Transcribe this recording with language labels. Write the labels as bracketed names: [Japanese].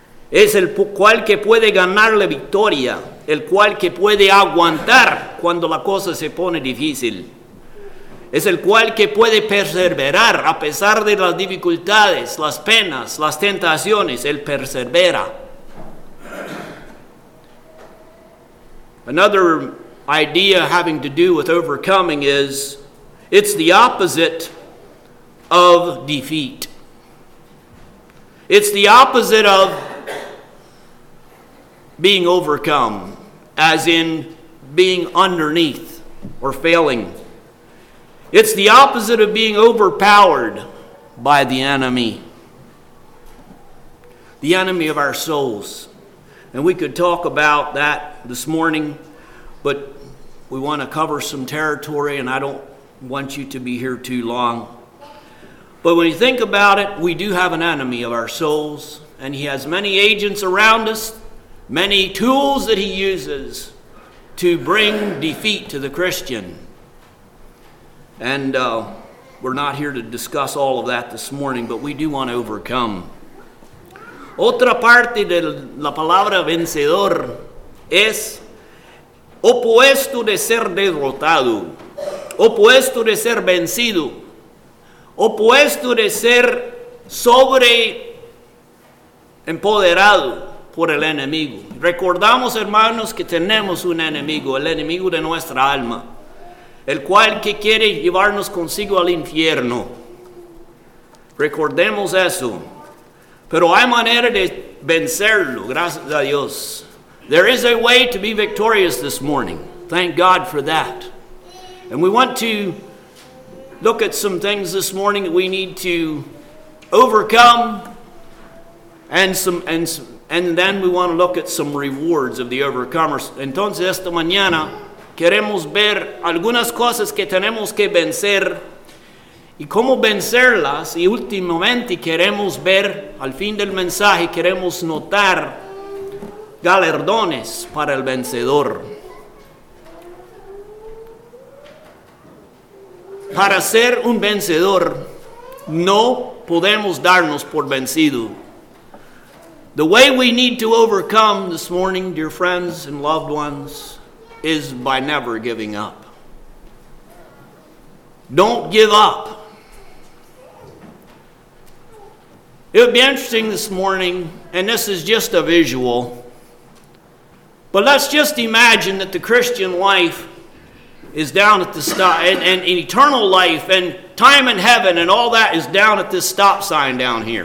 [Spanish] Es el cual que puede ganar la victoria, el cual que puede aguantar cuando la cosa se pone difícil. Es el cual que puede perseverar a pesar de las dificultades, las penas, las tentaciones, él persevera. [English] Another idea having to do with overcoming is, it's the opposite of defeat. It's the opposite of being overcome, as in being underneath or failing. It's the opposite of being overpowered by the enemy of our souls. And we could talk about that this morning, but we want to cover some territory, and I don't want you to be here too long. But when you think about it, we do have an enemy of our souls, and he has many agents around us. Many tools that he uses to bring defeat to the Christian. And we're not here to discuss all of that this morning, but we do want to overcome. [Spanish] Otra parte de la palabra vencedor es opuesto de ser derrotado, opuesto de ser vencido, opuesto de ser sobre empoderado. Por el enemigo. Recordamos, hermanos, que tenemos un enemigo, el enemigo de nuestra alma, el cual que quiere llevarnos consigo al infierno. Recordemos eso. Pero hay manera de vencerlo, gracias a Dios. [English] There is a way to be victorious this morning. Thank God for that. And we want to look at some things this morning that we need to overcome and then we want to look at some rewards of the overcomers. [Spanish] Entonces esta mañana queremos ver algunas cosas que tenemos que vencer y cómo vencerlas. Y últimamente queremos ver, al fin del mensaje, queremos notar galardones para el vencedor. Para ser un vencedor, no podemos darnos por vencido. [English] The way we need to overcome this morning, dear friends and loved ones, is by never giving up. Don't give up. It would be interesting this morning, and this is just a visual, but let's just imagine that the Christian life is down at the stop, and eternal life and time in heaven and all that is down at this stop sign down here.